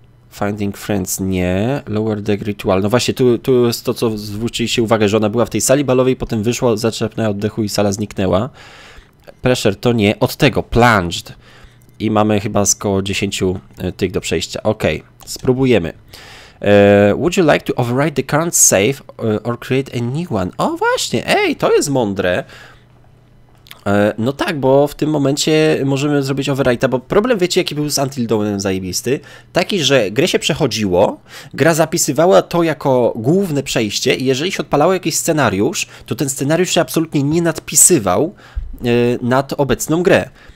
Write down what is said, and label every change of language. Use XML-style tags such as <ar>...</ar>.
<pl>Finding Friends, nie. Lower Deck Ritual. No właśnie, tu jest to, co zwróciliście uwagę, że ona była w tej sali balowej, potem wyszła, zaczerpnęła oddechu i sala zniknęła. Pressure to nie. Od tego, Plunged. I mamy chyba z koło 10 tych do przejścia. Okej, okay, spróbujemy.</pl> <en>Would you like to override the current save or create a new one?</en> <pl>O właśnie, ej, to jest mądre. No tak, bo w tym momencie możemy zrobić overwrite'a, bo problem, wiecie, jaki był z Until Dawn'em zajebisty? Taki, że grę się przechodziło, gra zapisywała to jako główne przejście i jeżeli się odpalało jakiś scenariusz, to ten scenariusz się absolutnie nie nadpisywał nad obecną grę.</pl>